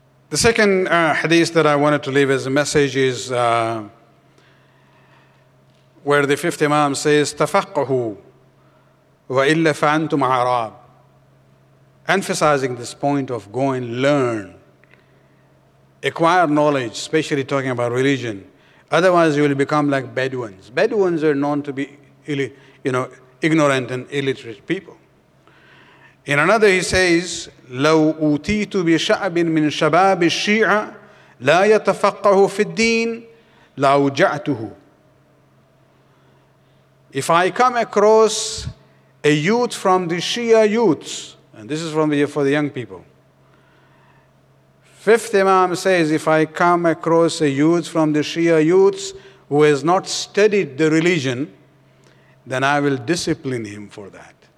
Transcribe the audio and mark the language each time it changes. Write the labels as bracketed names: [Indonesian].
[English] The second hadith that I wanted to leave as a message is where the fifth imam says, [Arabic] تَفَقَّهُ وَإِلَّا فَأَنْتُمْ عَرَابٌ, [English] emphasizing this point of go and learn, acquire knowledge, especially talking about religion. Otherwise, you will become like Bedouins. Bedouins are known to be, you know, ignorant and illiterate people. In another, he says, [Arabic] لو أوتيت بشعب من شباب الشيعة لا يتفقه في الدين لأوجعته. [English] If I come across a youth from the Shia youths, and this is for the young people. Fifth Imam says, if I come across a youth from the Shia youths who has not studied the religion, then I will discipline him for that.